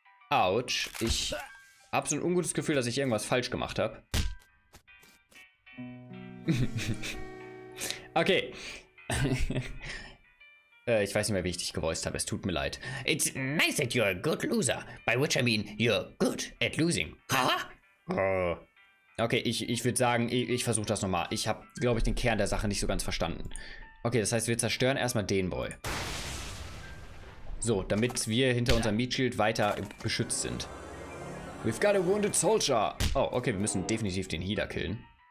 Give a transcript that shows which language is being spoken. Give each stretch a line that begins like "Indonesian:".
German: Autsch. Ich habe so ein ungutes Gefühl, dass ich irgendwas falsch gemacht habe. Okay. ich weiß nicht mehr, wie ich dich gevoiced habe. Es tut mir leid.
English: It's nice that you're a good loser. By which I mean, you're good at losing. Haha.
German: Okay, ich würde sagen, ich versuche das nochmal. Ich habe, glaube ich, den Kern der Sache nicht so ganz verstanden. Okay, das heißt, wir zerstören erstmal den Boy. So, damit wir hinter unserem Meat-Shield weiter beschützt sind.
English: We've got a wounded soldier.
German: Oh, okay, wir müssen definitiv den Healer killen.